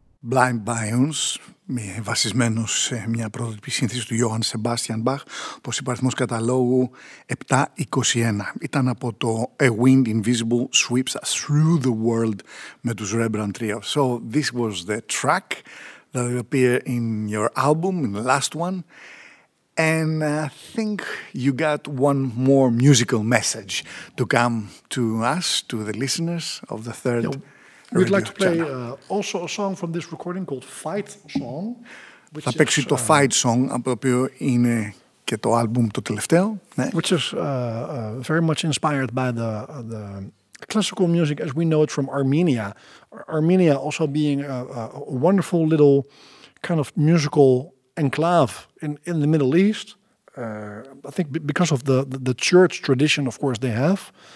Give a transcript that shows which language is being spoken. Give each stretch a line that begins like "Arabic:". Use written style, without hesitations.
Greek: Blind Bions, βασισμένος σε μια πρωτοτυπή σύνθεση του Johann Sebastian Bach, πως είπε αριθμός καταλόγου 721. Ήταν από το A Wind Invisible Sweeps Us Through the World με τους Rembrandt Trio.
English: So this was the track that appeared in your album, in the last one. And I think you got one more musical message to come to us, to the listeners of the third... We'd like to play also a song from this recording called Fight Song.
Greek: Θα παίξει το Fight Song, από το οποίο είναι και το άλμπουμ το τελευταίο.
English: Which is very much inspired by the classical music as we know it from Armenia. Armenia also being a wonderful little kind of musical enclave in the Middle East. I think because of the church tradition, of course, they have.